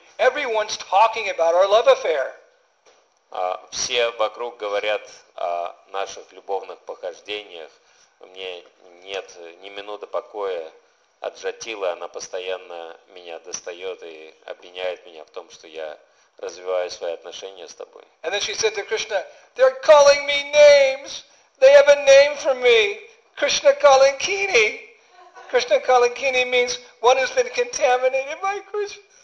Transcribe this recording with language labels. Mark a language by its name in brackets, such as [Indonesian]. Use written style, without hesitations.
[English] Everyone's talking about our love affair. [Russian] Все вокруг говорят о наших любовных похождениях. Мне нет ни минуты покоя от Джатилы. Она постоянно меня достает и обвиняет меня в том, что я развиваю свои отношения с тобой. [English] And then she said to Krishna, they're calling me names. They have a name for me. Krishna calling Kini. Krishna calling Kini means one who's been contaminated by Krishna.